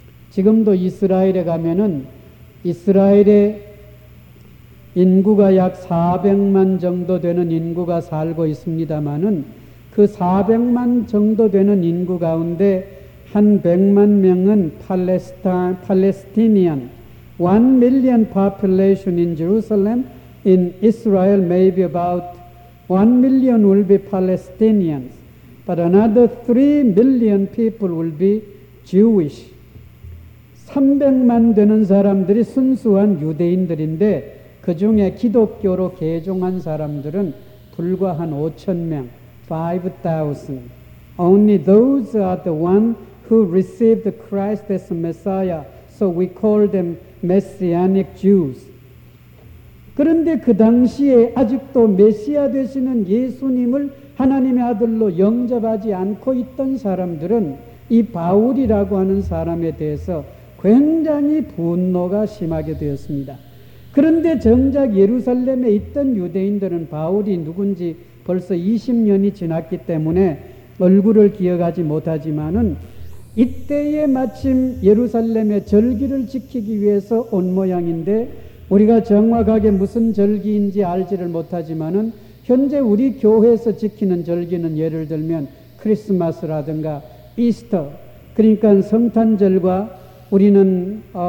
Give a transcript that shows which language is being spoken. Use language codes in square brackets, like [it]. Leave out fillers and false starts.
[ko] 지금도 이스라엘에 가면은 이스라엘의 인구가 약 400만 정도 되는 인구가 살고 있습니다만은 그 400만 정도 되는 인구 가운데 한 100만 명은 팔레스타인이안 [en] 1 million population in Jerusalem in Israel maybe about 1 million will be Palestinians but another 3 million people will be Jewish. [ko] 300만 되는 사람들이 순수한 유대인들인데 그 중에 기독교로 개종한 사람들은 불과 한 5천 명, 5,000. [en] Only those are the one who received Christ as Messiah, so we call them Messianic Jews. [ko] 그런데 그 당시에 아직도 메시아 되시는 예수님을 하나님의 아들로 영접하지 않고 있던 사람들은 이 바울이라고 하는 사람에 대해서 굉장히 분노가 심하게 되었습니다. 그런데 정작 예루살렘에 있던 유대인들은 바울이 누군지 벌써 20년이 지났기 때문에 얼굴을 기억하지 못하지만은 이때에 마침 예루살렘의 절기를 지키기 위해서 온 모양인데 우리가 정확하게 무슨 절기인지 알지를 못하지만은 현재 우리 교회에서 지키는 절기는 예를 들면 크리스마스라든가 이스터, 그러니까 성탄절과 우리는